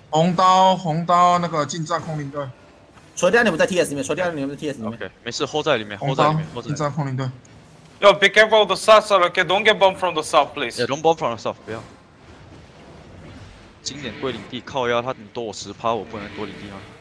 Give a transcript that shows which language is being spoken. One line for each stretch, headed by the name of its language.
Chinese: 红刀，红刀，那个近战空灵队。除掉你们在 TS 里面，除掉你们在 TS 里面。 OK， 没事 ，hold 在里面 ，hold 在里面 ，hold 在。近战空灵队。
English: Yo, be careful of the south, okay? Don't get bombed from the south, please. Yeah, don't bomb from the south.
Chinese: 不要。经典归领地，靠腰，他多我十趴，我不能多领地啊！